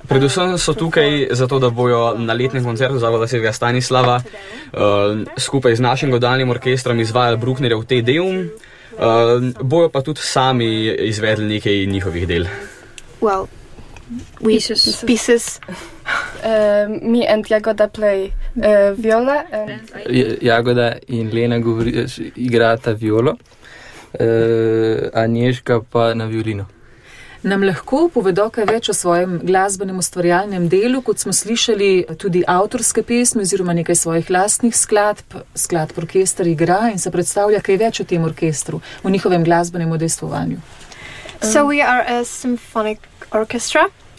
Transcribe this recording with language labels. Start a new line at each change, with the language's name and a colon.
Slovenian: predvsem so tukaj zato, da bojo na letnem koncertu Zavoda svetega Stanislava skupaj z našim godalnim orkestrom izvajali Brucknerjev Tedeum, bojo pa tudi sami izvedli nekaj njihovih del.
English: Well, we just pieces. Me and Jagoda play viola. And
Slovenian: Jagoda in Lena igrata violo. Anješka pa na violino. Nam lahko povedo kaj več o svojem glasbenem ustvarjalnem delu, kot smo slišali tudi avtorske pesme oziroma nekaj svojih lastnih skladb. Skladb orkester igra in se predstavlja kaj več o tem orkestru, o njihovem glasbenem udejstvovanju.
English: So we are a symphonic orchestra.